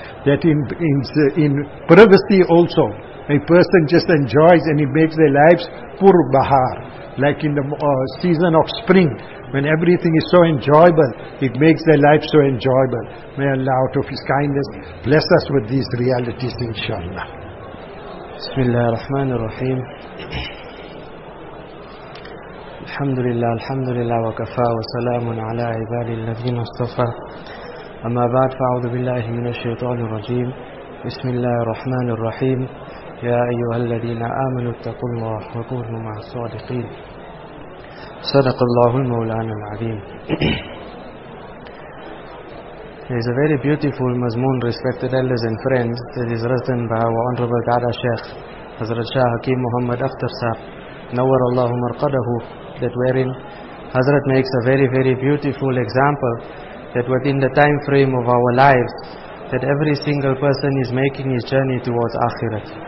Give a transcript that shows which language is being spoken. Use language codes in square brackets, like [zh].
[en] That in privacy also, a person just enjoys and it makes their lives [ur] pur bahar. [en] Like in the season of spring, when everything is so enjoyable, it makes their life so enjoyable. May Allah, out of His kindness, bless us with these realities, inshallah. [ar] Bismillah ar-Rahman ar-Rahim. الحمد لله وكفى وسلام على عباد الذين اصطفى أما بعد فأعوذ بالله من الشيطان الرجيم بسم الله الرحمن الرحيم يا أيها الذين آمنوا اتقوا الله وكونوا مع الصادقين صدق الله المولانا العظيم. [en] There is a very beautiful مضمون, respected elders and friends, that is written by our honorable Dada Sheikh Hazrat Shah Hakim Muhammad Akhtar Sahib Nawwar Allahu Marqadahu, that wherein Hazrat makes a very, very beautiful example that within the time frame of our lives, that every single person is making his journey towards Akhirat.